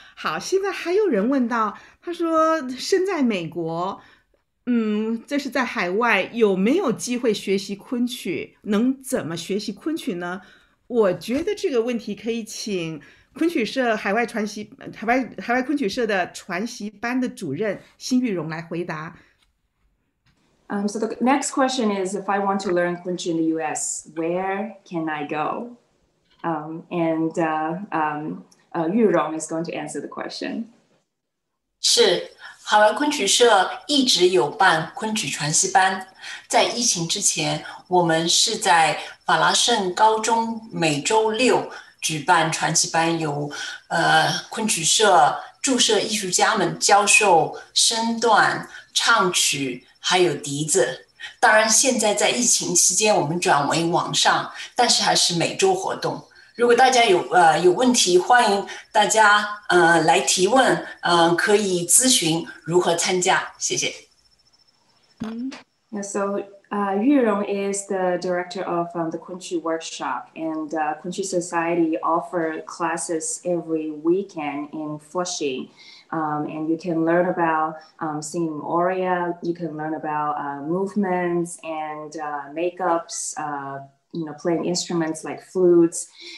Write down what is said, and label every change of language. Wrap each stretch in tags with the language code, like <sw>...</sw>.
<zh>好，现在还有人问到，他说身在美国，这是在海外，有没有机会学习昆曲？能怎么学习昆曲呢？我觉得这个问题可以请昆曲社海外昆曲社的传习班的主任辛玉荣来回答。</zh> <en>So the next question is, if I want to learn Quenchy in the U.S., where can I go? Yurong is going to answer the question.</en> <zh>是，海外昆曲社一直有办昆曲传习班。在疫情之前，我们是在法拉盛高中每周六举办传习班，由昆曲社驻社艺术家们教授身段、唱曲还有笛子。当然现在在疫情期间我们转为网上，但是还是每周活动。如果大家有问题，欢迎大家来提问，可以咨询如何参加。谢谢。</zh> <en>Yu Rong is the director of the Quenchy Workshop, and Quenchy Society offer classes every weekend in Flushing. And you can learn about singing aria, you can learn about movements and makeups, playing instruments like flutes.</en>